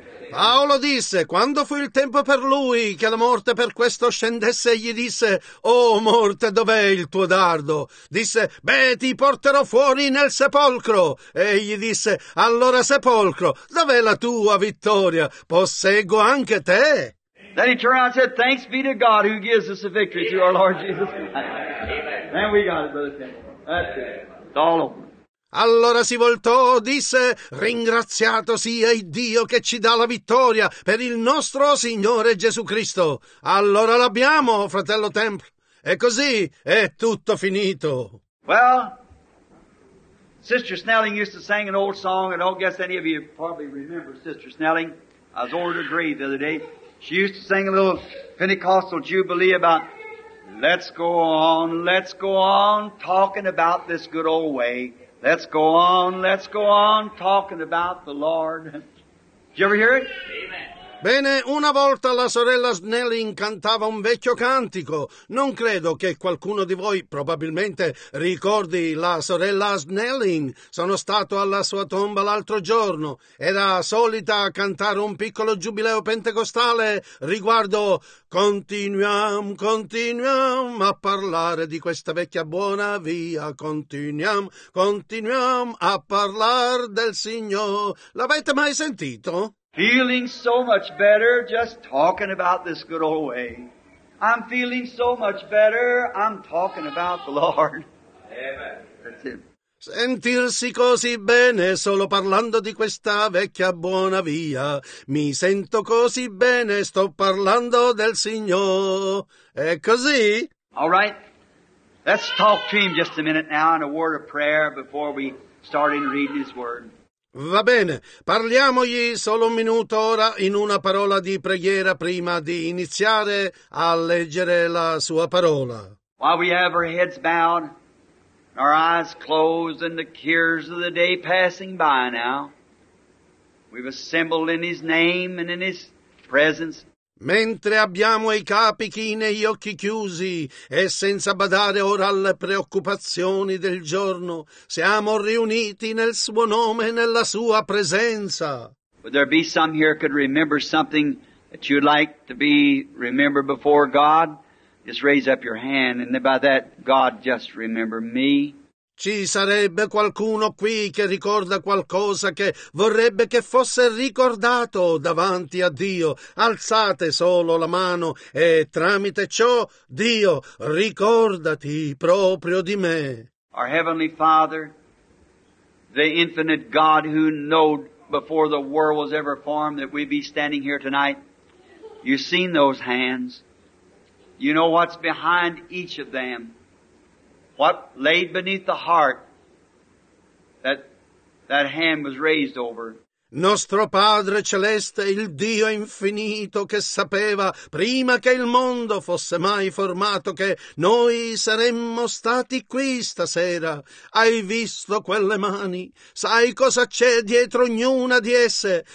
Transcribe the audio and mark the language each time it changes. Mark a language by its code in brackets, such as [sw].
[it] Paolo disse, quando fu il tempo per lui che la morte per questo scendesse, gli disse, oh morte, dov'è il tuo dardo? Disse, beh, ti porterò fuori nel sepolcro. E gli disse, allora sepolcro, dov'è la tua vittoria? Posseggo anche te. [en] Then he turned around and said, thanks be to God who gives us the victory through our Lord Jesus Christ. Amen. And we got it, Brother Temple. That's it. It's all over. [it] Allora si voltò, disse, ringraziato sia il Dio che ci dà la vittoria per il nostro Signore Gesù Cristo. Allora l'abbiamo, fratello Temple. E così è tutto finito. [en] Well, Sister Snelling used to sing an old song, and I guess any of you probably remember Sister Snelling. I was over at her grave the other day. She used to sing a little Pentecostal jubilee about, let's go on, talking about this good old way. Let's go on, talking about the Lord. Did you ever hear it? [it] Bene, una volta la sorella Snelling cantava un vecchio cantico. Non credo che qualcuno di voi probabilmente ricordi la sorella Snelling. Sono stato alla sua tomba l'altro giorno. Era solita cantare un piccolo giubileo pentecostale riguardo continuiamo a parlare di questa vecchia buona via. Continuiamo a parlare del Signore. L'avete mai sentito? [en] Feeling so much better just talking about this good old way. I'm feeling so much better, I'm talking about the Lord. Amen. That's it. [it] Sentirsi così bene solo parlando di questa vecchia buona via. Mi sento così bene, sto parlando del Signore. È così? [en] All right. Let's talk to him just a minute now in a word of prayer before we start in reading his word. [it] Va bene, parliamogli solo un minuto ora in una parola di preghiera prima di iniziare a leggere la sua parola. [en] While we have our heads bowed, our eyes closed, and the cares of the day passing by now, we've assembled in His name and in His presence. [it] Mentre abbiamo i capi chini e gli occhi chiusi e senza badare ora alle preoccupazioni del giorno, siamo riuniti nel suo nome e nella sua presenza. [en] Would there be some here could remember something that you'd like to be remembered before God? Just raise up your hand and by that God just remember me. [it] Ci sarebbe qualcuno qui che ricorda qualcosa che vorrebbe che fosse ricordato davanti a Dio? Alzate solo la mano e tramite ciò, Dio, ricordati proprio di me. [en] Our Heavenly Father, the infinite God who knew before the world was ever formed that we'd be standing here tonight, you've seen those hands. You know what's behind each of them. What laid beneath the heart that hand was raised over. [it] Nostro Padre Celeste, il Dio infinito che sapeva prima che il mondo fosse mai formato che noi saremmo stati qui stasera. Hai visto quelle mani? Sai cosa c'è dietro ognuna di esse?